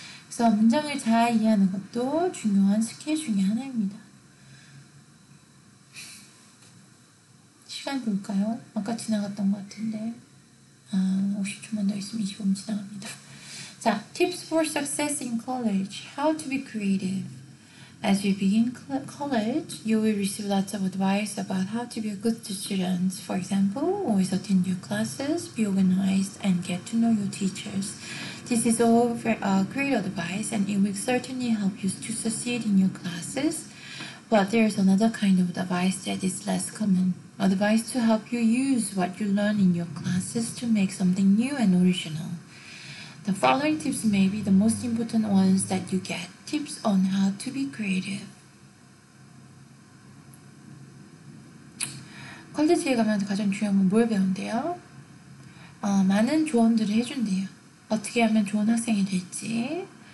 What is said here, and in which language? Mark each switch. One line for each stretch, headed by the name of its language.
Korean: 그래서 문장을 잘 이해하는 것도 중요한 스킬 중에 하나입니다. 시간 볼까요? 아까 지나갔던 것 같은데. 50초만 더 있으면 25분 지나갑니다.
English: 자, tips for success in college. How to be creative. As you begin college, you will receive lots of advice about how to be a good student. For example, always attend your classes, be organized, and get to know your teachers. This is all great advice, and it will certainly help you to succeed in your classes. But there is another kind of advice that is less common. Advice to help you use what you learn in your classes to make something new and original. The following tips may be the most important ones that you get. Tips on how to be creative.
Korean: 컬리지에 가면서 가장 중요한 건뭘 배운대요? 많은 조언들을 해준대요. 어떻게 하면 좋은 학생이 될지.